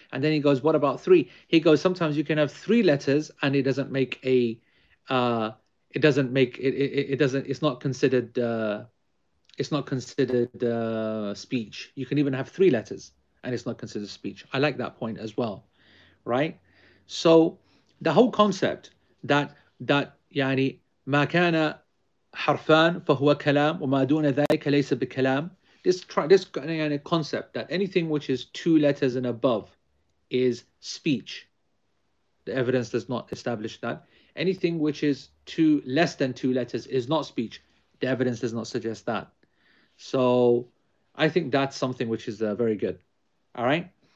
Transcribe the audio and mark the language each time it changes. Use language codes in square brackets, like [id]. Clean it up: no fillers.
[en] And then he goes, what about three? He goes, sometimes you can have three letters and it doesn't make a, it doesn't make, it doesn't, it's not considered speech. You can even have three letters and it's not considered speech. I like that point as well, right? So the whole concept that, [ar] يعني ما كان حرفان فهو كلام وما دون ذلك ليس بكلام. [en] This [ar] يعني [en] concept that anything which is two letters and above is speech. The evidence does not establish that. Anything which is two less than two letters is not speech. The evidence does not suggest that. So I think that's something which is very good. All right.